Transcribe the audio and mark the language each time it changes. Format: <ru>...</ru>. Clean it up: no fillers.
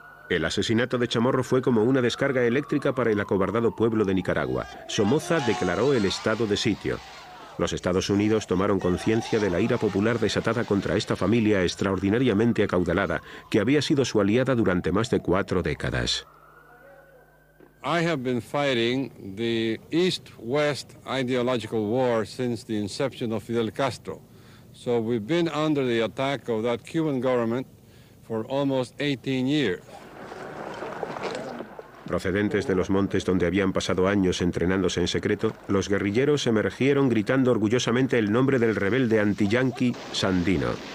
<es>El asesinato de Chamorro fue como una descarga eléctrica para el acobardado pueblo de Nicaragua. Somoza declaró el estado de sitio. Los Estados Unidos tomaron conciencia de la ira popular desatada contra esta familia extraordinariamente acaudalada, que había sido su aliada durante más de 4 décadas.</es> <en>I have been fighting the East-West ideological war since the inception of Fidel Castro. So we've been under the attack of that Cuban government for almost 18 years.</en> <es>Procedentes de los montes donde habían pasado años entrenándose en secreto, los guerrilleros emergieron gritando orgullosamente el nombre del rebelde anti-yanqui Sandino.</es>